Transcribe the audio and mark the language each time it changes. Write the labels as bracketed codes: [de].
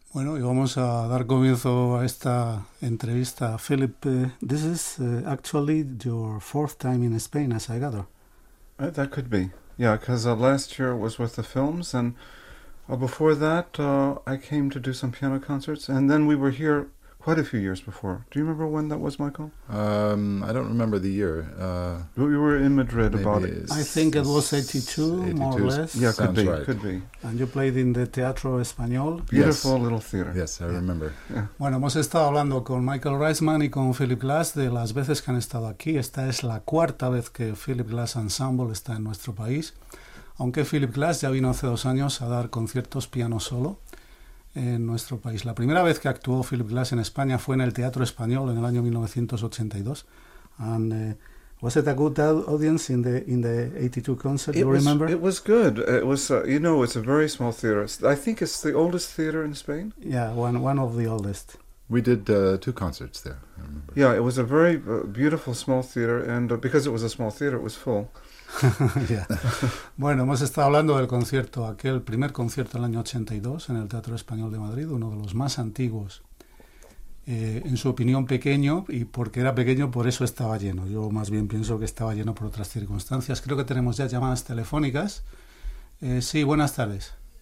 [es] Bueno, y vamos a dar comienzo a esta entrevista. [en] Philip, this is actually your fourth time in Spain, as I gather. That could be. Yeah, because last year was with the films, and before that, I came to do some piano concerts, and then we were here quite a few years before. Do you remember when that was, Michael? I don't remember the year. We were in Madrid maybe about it. I think it was 82, more or less. Yeah, could be, right. Could be. And you played in the Teatro Español. Beautiful, yes. Little theater. Yes, I remember. Yeah. [es] Bueno, hemos estado hablando con Michael Reisman y con Philip Glass de las veces que han estado aquí. Esta es la cuarta vez que Philip Glass Ensemble está en nuestro país. Aunque Philip Glass ya vino hace dos años a dar conciertos piano solo en nuestro país. La primera vez que actuó Philip Glass en España fue en el Teatro Español en el año 1982. [en] And was it a good audience in the 82 concert? Do you remember? It was good. It was it's a very small theater. I think it's the oldest theater in Spain. Yeah, one of the oldest. We did two concerts there, I remember. Yeah, it was a very beautiful small theater, and because it was a small theater, it was full. [es] Bueno, hemos estado hablando del concierto, aquel primer concierto del año 82 en el Teatro Español de Madrid, uno de los más antiguos, en su opinión pequeño, y porque era pequeño por eso estaba lleno. Yo más bien pienso que estaba lleno por otras circunstancias. Creo que tenemos ya llamadas telefónicas. Sí, buenas tardes.